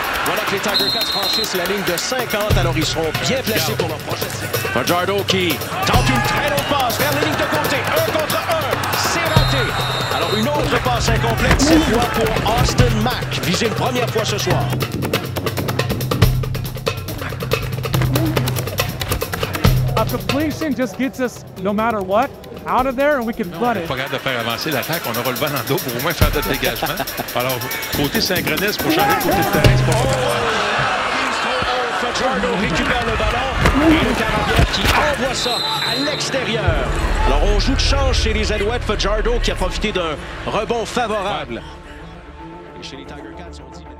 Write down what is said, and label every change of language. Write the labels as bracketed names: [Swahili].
[French] Voilà que les Tiger Cats franchissent la ligne de 50, alors ils seront bien placés pour leur prochaine. Fajardo qui tente une très longue passe vers la ligne de côté, un contre un, c'est raté. Alors une autre passe incomplète, cette fois pour Austin Mack, visé une première fois ce soir. [English] A completion just gets us, no matter what, out of there and we can flood it. [French] Pas capable de faire avancer l'attaque, on aura le vent dans le dos pour au moins faire notre dégagement. Alors, côté synchroniste pour changer côté de terrain, c'est pas grave. Fajardo récupère le ballon. Et le Canadien qui envoie ça à l'extérieur. Alors on joue de chance chez les Alouettes. Fajardo qui a profité d'un rebond favorable. Et chez les Tiger Cats, on dit...